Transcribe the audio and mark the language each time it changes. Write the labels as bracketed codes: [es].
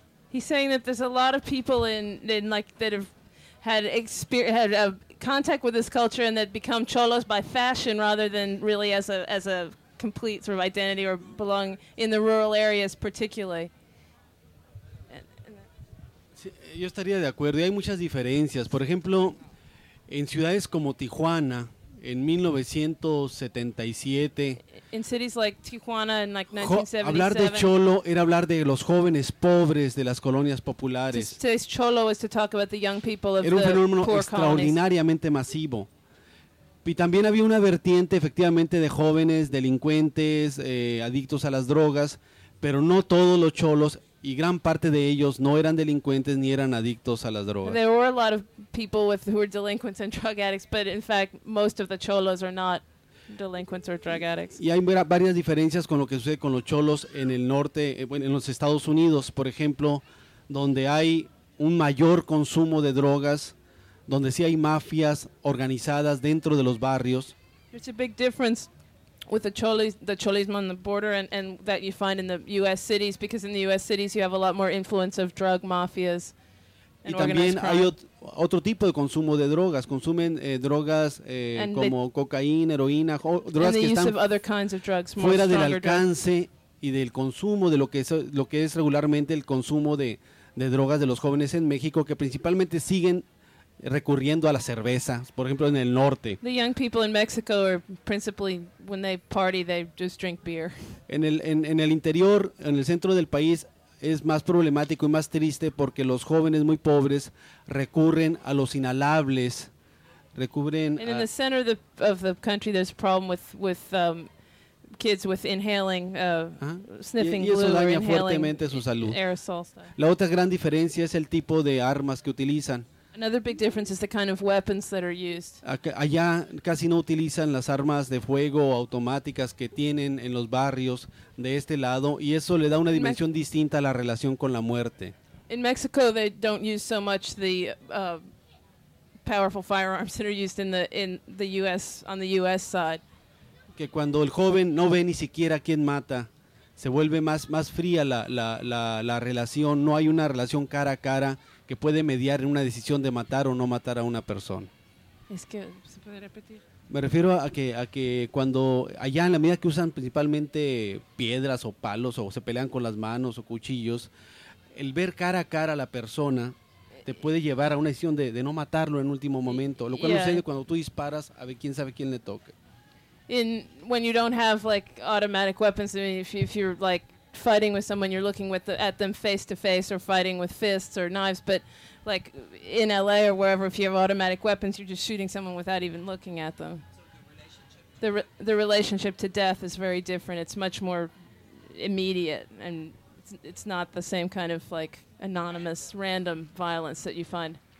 [en] He's saying that there's a lot of people that have had contact with this culture and that become cholos by fashion rather than really as a complete sort of identity or belong in the rural areas particularly. [es] Sí, yo estaría de acuerdo. Y hay muchas diferencias. Por ejemplo, en ciudades como Tijuana, en 1977. [en] In cities like Tijuana in like 1977. [es] Hablar de cholo era hablar de los jóvenes pobres de las colonias populares. [en] To say cholo was to talk about the young people of the poor colonies. [es] Era un fenómeno extraordinariamente masivo. Y también había una vertiente, efectivamente, de jóvenes delincuentes, adictos a las drogas, pero no todos los cholos. Y gran parte de ellos no eran delincuentes ni eran adictos a las drogas. [en] There were a lot of people who were delinquents and drug addicts, but in fact, most of the cholos are not delinquents or drug addicts. [es] Y hay varias diferencias con lo que sucede con los cholos en el norte, bueno, en los Estados Unidos, por ejemplo, donde hay un mayor consumo de drogas, donde sí hay mafias organizadas dentro de los barrios. [en] There's a big difference with the cholismo on the border and that you find in the U.S. cities, because in the U.S. cities you have a lot more influence of drug mafias and organized crime. [es] Y también hay otro tipo de consumo de drogas. Consumen drogas como cocaína, heroína, drogas que están [en] of other kinds of drugs, more [es] fuera del alcance [en] drugs. [es] Y del consumo de lo que es regularmente el consumo de drogas de los jóvenes en México, que principalmente siguen recurriendo a la cerveza, por ejemplo, en el norte. [en] The young people in Mexico are principally, when they party, they just drink beer. [es] En el interior, en el centro del país, es más problemático y más triste porque los jóvenes muy pobres recurren a los inhalables, recurren. [en] And in the center of the country, there's a problem with kids with inhaling, sniffing glue, inhaling. [es] Y eso daña fuertemente su salud. [en] Aerosol stuff. [es] La otra gran diferencia es el tipo de armas que utilizan. [en] Another big difference is the kind of weapons that are used. [es] Allá casi no utilizan las armas de fuego automáticas que tienen en los barrios de este lado, y eso le da una dimensión distinta a la relación con la muerte. [en] In Mexico, they don't use so much the powerful firearms that are used in the U.S. on the U.S. side. [es] Que cuando el joven no ve ni siquiera quién mata, se vuelve más fría la relación, no hay una relación cara a cara que puede mediar en una decisión de matar o no matar a una persona. Es que, ¿se puede repetir? Me refiero a que cuando allá, en la medida que usan principalmente piedras o palos o se pelean con las manos o cuchillos, el ver cara a cara a la persona te puede llevar a una decisión de no matarlo en último momento, lo cual sucede cuando tú disparas a ver quién sabe quién le toque. [en] In when you don't have like automatic weapons, I mean, if you're like fighting with someone, you're looking at them face to face, or fighting with fists or knives. But like in LA or wherever, if you have automatic weapons, you're just shooting someone without even looking at them. The relationship to death is very different. It's much more immediate, and it's not the same kind of like anonymous random violence that you find.